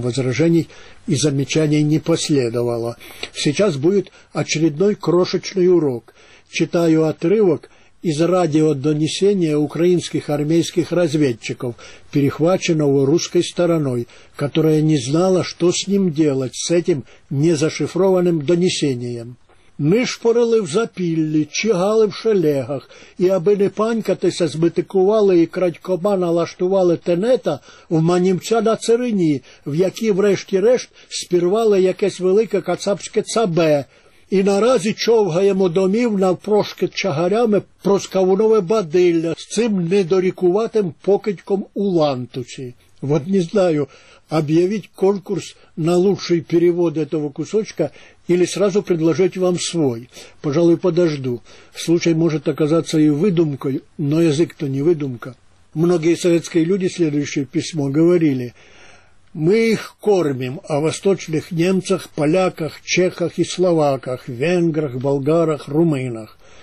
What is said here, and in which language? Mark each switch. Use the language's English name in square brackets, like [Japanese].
[Russian] Возражений и замечаний не последовало. Сейчас будет очередной крошечный урок. Читаю отрывок из радиодонесения украинских армейских разведчиков, перехваченного русской стороной, которая не знала, что с ним делать, с этим незашифрованным донесением. [Ukrainian] «Ми шпорили в запіллі, чигали в шелегах, і аби не панькатися, збитикували і крадькома налаштували тенета в манімця на царині, в якій врешті-решт спірвали якесь велике кацапське цабе». І наразі човгаємо домів навпрошки чагарями проскавунове бадилля з цим недорікуватим покидьком у лантусі. [Russian] Вот не знаю, об'явіть конкурс на лучший перевод этого кусочка или сразу предложить вам свой. Пожалуй, подожду. Случай может оказаться и выдумкой, но язык-то не выдумка. Многие советские люди следующее письмо говорили... Мы их кормим о восточных немцах, поляках, чехах и словаках, венграх, болгарах, румынах.